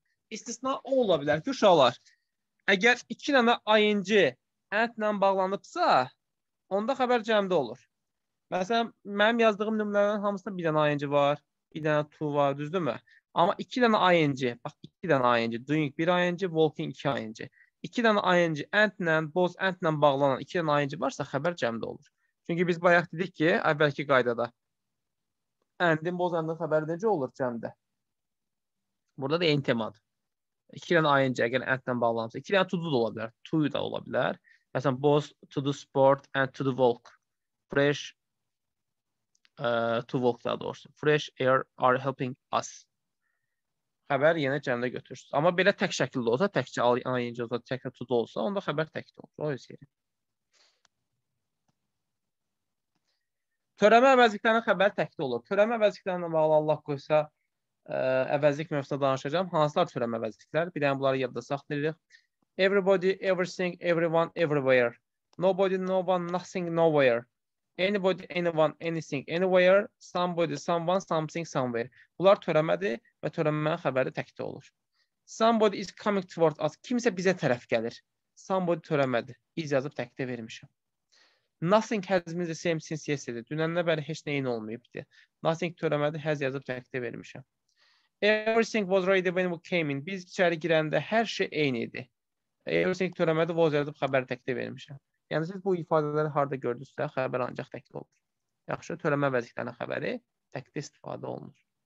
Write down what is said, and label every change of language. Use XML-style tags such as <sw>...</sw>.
<az>İstisna o ola bilər ki, uşaqlar, əgər iki dənə ayıncı and-lə bağlanıbsa, onda xəbər cəmdə olur. Məsələn, mənim yazdığım nümunələrin hamısında bir dənə ayıncı var, bir dənə to var, düzdürmü?</az> <tr>Ama iki tane ing. Bak iki tane ing. Doing bir ing, walking iki ing. İki tane</tr> <az>ing and ile both and ile bağlanan iki tane ing varsa xəbər cəmdə olur. Çünki biz bayaq dedik ki, əvvəlki qaydada and'in both and'in xəbəri necə olur cəmdə? Burada da eyni temadır.</az> <tr>İki tane</tr> <az>ing, əgər and ilə bağlanırsa. İki tane to do da ola bilər, to da ola bilər.</az> <en>Məsələn, both to do sport and to do walk. Fresh to walk</en> <az>daha doğrusu.</az> <en>Fresh air are helping us.</en> <az>Xəbər yenə cəmdə götürürsünüz. Amma belə tək şəkildə olsa, təkcə ing olsa, təkcə to do olsa, onda xəbər təkdə olur. O öz yeri. Törəmə əvəzliklərinin xəbəri təkdə olur. Törəmə əvəzliklərinin bağlı Allah qoysa, əvəzlik mövzusunda danışacağım. Hansılar törəmə əvəzliklər? Bir dənə bunları yadda saxlayırıq.</az> <en>Everybody, everything, everyone, everywhere. Nobody, no one, nothing, nowhere. Anybody, anyone, anything, anywhere. Somebody, someone, something, somewhere.</en> <az>Bunlar törəmədir və törəmənin xəbəri təkdə olur.</az> <en>Somebody is coming toward us.</en> <az>Kimsə bizə tərəf gəlir. Somebody törəmədir. İz yazıb təkdə vermişim.</az> <en>Nothing has been the same since yesterday.</en> <az>Dünəndən bəri heç nəyin olmayıbdı. Nothing törəmədir. Has yazıb təkdə vermişim.</az> <en>Everything was ready when we came in.</en> <az>Biz içəri girəndə hər şey eyni idi. Everything törəmədir. Was yazıb xəbəri təkdə vermişim. Yəni siz bu ifadələri harda gördünüzsə xəbər ancaq təkdə olur. Yaxşı, törəmə vəziklərinin xəbəri təkdə istifadə olunur.</az>